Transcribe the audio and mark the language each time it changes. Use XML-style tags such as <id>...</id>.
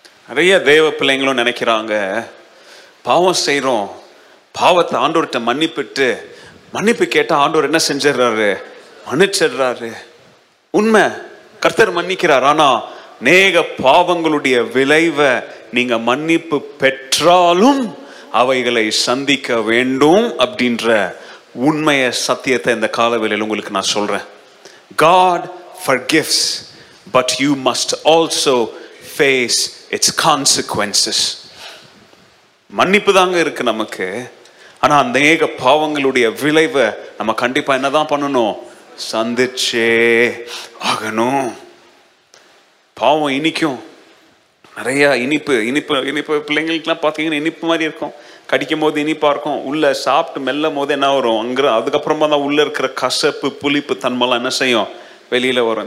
<ta>நிறைய தேவ பிள்ளைங்களும் நினைக்கிறாங்க, பாவம் செய்யறோம், பாவத்தை ஆண்டவர்கிட்ட மன்னிப்பிட்டு, மன்னிப்பு கேட்டால் ஆண்டவர் என்ன செஞ்சிடுறாரு? மன்னிச்சிடுறாரு. உண்மை, கர்த்தர் மன்னிக்கிறார். ஆனா அநேக பாவங்களுடைய விளைவை நீங்க மன்னிப்பு பெற்றாலும் அவைகளை சந்திக்க வேண்டும் அப்படின்ற உண்மைய சத்தியத்தை இந்த காலவேளையில் உங்களுக்கு நான் சொல்றேன்.</ta> <en>God forgives, but you must also face its consequences.</en> <ta>மன்னிப்பு தாங்க இருக்கு நமக்கு, ஆனா அந்த அநேக பாவங்களுடைய விளைவை நம்ம கண்டிப்பா என்னதான் பண்ணணும்? சந்திச்சே ஆகணும். பாவம் இனிக்கும், நிறைய இனிப்பு இனிப்பு இனிப்பு. பிள்ளைங்களுக்குலாம் பார்த்தீங்கன்னா இனிப்பு மாதிரி இருக்கும், கடிக்கும் போது இனிப்பாக இருக்கும், உள்ள சாப்பிட்டு மெல்லும் போது என்ன வரும் அங்கே, அதுக்கப்புறமா தான் உள்ளே இருக்கிற கசப்பு புளிப்பு தன்மைலாம் என்ன செய்யும்? வெளியில் வரும்.</ta>